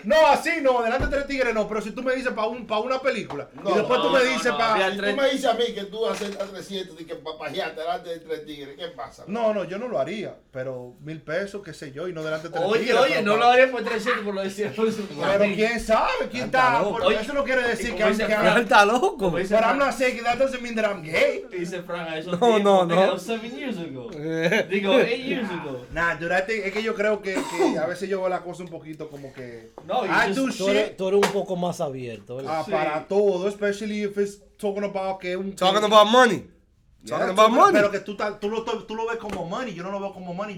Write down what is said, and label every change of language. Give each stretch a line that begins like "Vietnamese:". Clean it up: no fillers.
Spanish: No, así no, adelante de tres tigres no. Pero si tú me dices para una película. No, y después no, tú me dices para... Si tú me dices a mí que tú aceptas 300 y que pajeaste adelante de tres tigres, ¿qué pasa? Loco? No, yo no lo haría. Pero $1,000, qué sé yo, y no delante de tres tigres. Oye, no lo haría por 300, por lo decía. Pero quién sabe, quién está. Porque eso no quiere decir que... Está loco. Pero
English: I'm not saying that doesn't mean that I'm gay.
Spanish: Dice Frank. No, no, no.
English: That was 7 years ago.
Spanish: Digo,
English: 8 years ago. Nah, dude,
Spanish: es que yo creo que a veces yo veo la cosa un poquito como que... No, tú eres un poco más abierto. Ah, sí. Para todo,
English: especially if it's talking about...
Spanish: Que un
English: talking about money. Yeah, talking about money.
Spanish: Pero que tú lo ves como money. Yo no lo veo como money.